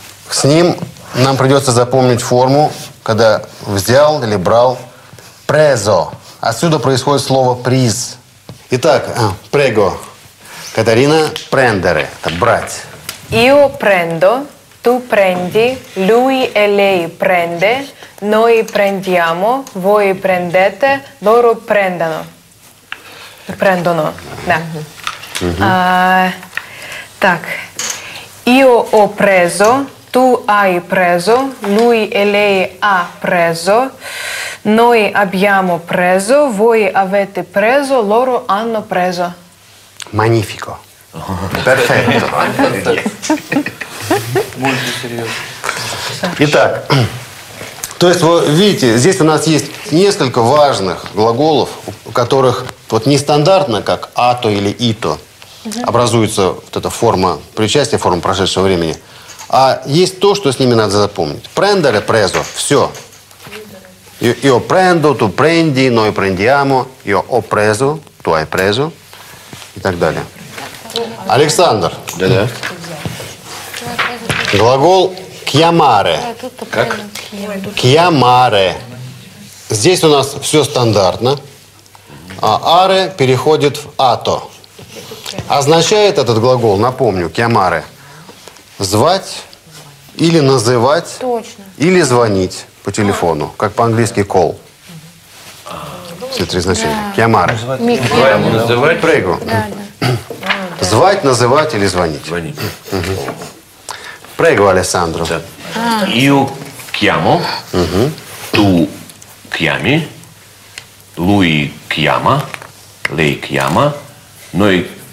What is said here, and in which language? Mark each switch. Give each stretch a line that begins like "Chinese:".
Russian: С ним нам придется запомнить форму, когда взял или брал. Презо. Отсюда происходит слово приз. Итак,
Italian: prego. Катерина, prendere.
Russian: Это брать.
Italian: Io prendo, tu prendi, lui e lei prende, noi prendiamo, voi prendete, loro prendono. Prendono,
Russian: да. Так.
Italian: Io ho preso, tu hai preso, lui e lei ha preso, noi abbiamo preso, voi avete preso, loro hanno preso. Magnifico. Perfetto. Molto serioso.
Russian: Итак, то есть, вы видите, здесь у нас есть несколько важных глаголов, у которых вот нестандартно, как «ато» или «ито», образуется вот эта форма причастия, форма прошедшего времени. А есть то, что с ними надо запомнить.
Italian: «Prendere», «preso» –
Russian: все.
Italian: «Io prendo», «tu prendi», «noi prendiamo», «io ho preso», «tu hai preso»
Russian: и так далее. Александр. Да-да. Глагол «chiamare». Как?
Italian: «Chiamare».
Russian: Здесь у нас все стандартно. А «are» переходит в «ato». Означает этот глагол, напомню, «chiamare» – звать или называть. Точно. Или звонить по телефону, как по-английски «call». Все три значения. Да.
Italian: «Chiamare».
Russian: Называть.
Italian: Прыгу.
Russian: Да. Звать, называть или звонить. Звонить. Угу.
Italian: Прыгу, Алессандро.
Russian: Да.
Italian: «Io chiamo»,
Russian: угу.
Italian: «Tu chiami», «Lui chiama», «Lei chiama», «Noi